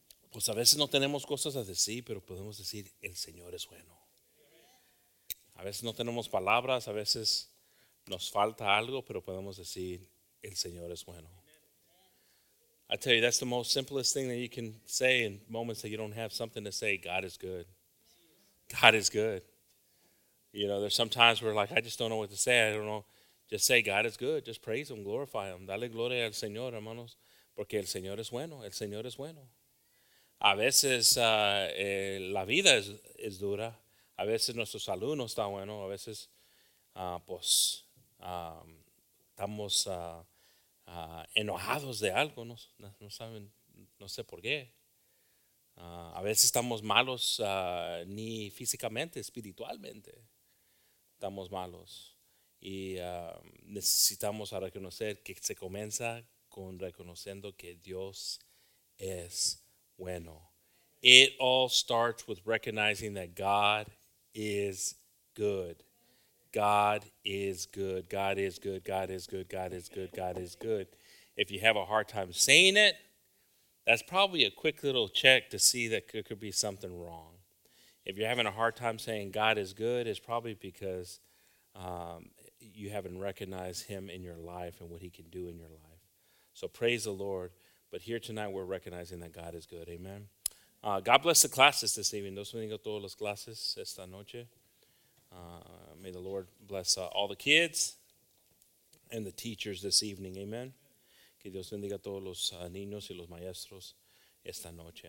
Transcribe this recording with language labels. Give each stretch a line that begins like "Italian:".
Spanish: Pues a veces no tenemos cosas a decir, pero podemos decir, el Señor es bueno. A veces no tenemos palabras, a veces nos falta algo, pero podemos decir, el Señor es bueno.
English: I tell you, that's the most simplest thing that you can say in moments that you don't have something to say. God is good. God is good. You know, there's sometimes we're like, I just don't know what to say. I don't know. Just say, God is good. Just praise him, glorify him.
Spanish: Dale gloria al Señor, hermanos, porque el Señor es bueno. El Señor es bueno. A veces la vida es dura. A veces nuestra salud no está bueno. A veces, estamos enojados de algo. No saben, no sé por qué. A veces estamos malos, ni físicamente, espiritualmente. Estamos malos. Y necesitamos a reconocer que se comienza con reconociendo que Dios es bueno.
English: It all starts with recognizing that God is good. God is good. God is good. God is good. God is good. God is good. If you have a hard time saying it, that's probably a quick little check to see that there could be something wrong. If you're having a hard time saying God is good, it's probably because you haven't recognized him in your life and what he can do in your life. So praise the Lord. But here tonight, we're recognizing that God is good. Amen. God bless the classes this evening.
Spanish: Dios bendiga todas las clases esta noche.
English: May the Lord bless all the kids and the teachers this evening. Amen.
Spanish: Que Dios bendiga todos los niños y los maestros esta noche.